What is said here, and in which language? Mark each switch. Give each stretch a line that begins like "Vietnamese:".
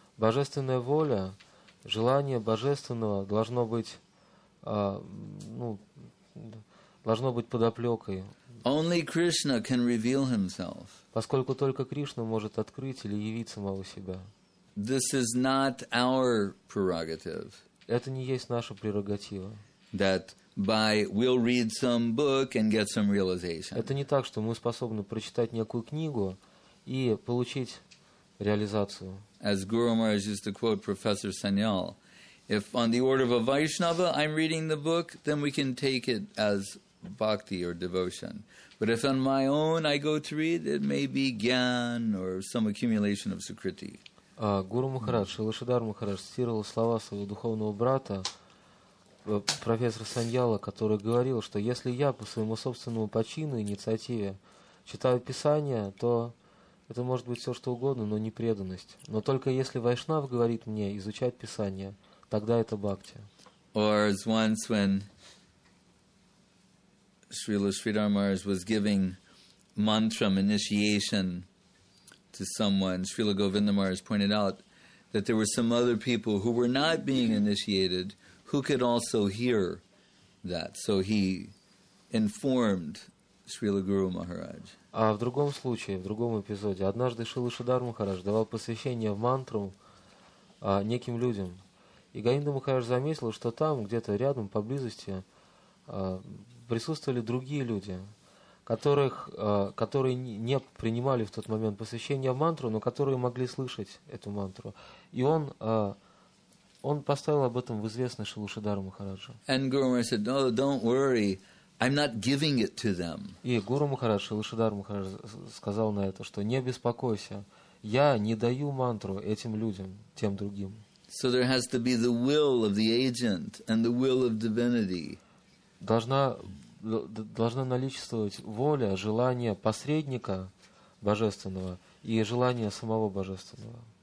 Russian: Божественная воля, желание божественного должно быть, должно быть подоплекой.
English: Only Krishna can reveal himself.
Russian: Поскольку только Кришна может открыть или явить самого себя.
English: This is not our prerogative.
Russian: Это не есть наша прерогатива.
English: That by we'll read some book and get some realization.
Russian: Это не так, что мы способны прочитать некую книгу и получить реализацию.
English: As Guru Maharaj used to quote Professor Sanyal, if on the order of a Vaishnava I'm reading the book, then we can take it as bhakti or devotion. But if on my own I go to read, it may be gyan or some accumulation of sukriti.
Russian: Гуру Махарадж, Шрила Шридхар Махарадж цитировал слова своего духовного брата, профессора Саньяла, который говорил, что если я по своему собственному почину и инициативе читаю Писание, то это может быть все что угодно, но не преданность. Но только если Вайшнав говорит мне изучать Писание, тогда это бхакти.
English: Or as once when Srila Sridhar Maharaj was giving mantra initiation to someone, Srila Govinda Maharaj pointed out that there were some other people who were not being initiated who could also hear that. So he informed Srila Guru Maharaj.
Russian: А в другом случае, в другом эпизоде, однажды Шрила Шридхар Махарадж давал посвящение в мантру неким людям. И Говинда Махарадж заметил, что там, где-то рядом, поблизости, присутствовали другие люди, которые не принимали в тот момент посвящение в мантру, но которые могли слышать эту мантру. И он поставил об этом в известность Шилушидару Махараджа.
English: And Guru Maharaj said, no, don't worry, I'm not giving it to them.
Russian: И Гуру Махарадж, Шилушидару Махарадж сказал на это, что не беспокойся, я не даю мантру этим людям, тем другим.
English: So there has to be the will of the agent and the will of divinity.
Russian: Должна наличествовать воля, желание посредника божественного и желание самого божественного.